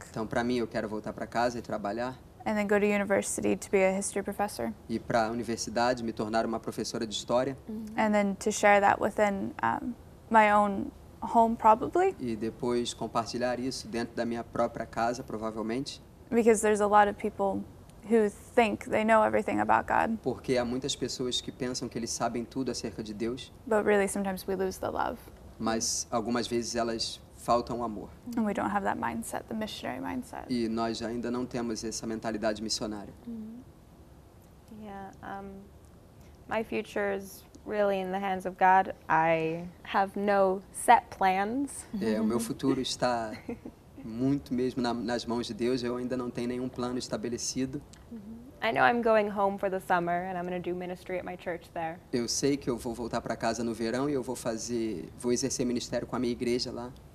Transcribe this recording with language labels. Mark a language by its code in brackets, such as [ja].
[pt] Então, para mim, eu quero voltar para casa e trabalhar. [en] And then go to university to be a history professor. [pt] E para a universidade, me tornar uma professora de história. [en] And then to share that within my own home, probably. [pt] E depois compartilhar isso dentro da minha própria casa, provavelmente. [en] Because there's a lot of people who think they know everything about God. [pt] Porque há muitas pessoas que pensam que eles sabem tudo acerca de Deus. [en] But really, sometimes we lose the love. [pt] Mas algumas vezes elas faltam amor. [en] And we don't have that mindset, the missionary mindset. [pt] E nós ainda não temos essa mentalidade missionária. Mm-hmm. [en] Yeah, my future is really in the hands of God. I have no set plans. [pt] É, o meu futuro está muito mesmo nas mãos de Deus. Eu ainda não tenho nenhum plano estabelecido. Mm-hmm. [en] I know I'm going home for the summer and I'm going to do ministry at my church there. [pt] Eu sei que eu vou voltar para casa no verão e eu vou exercer ministério com a minha igreja lá.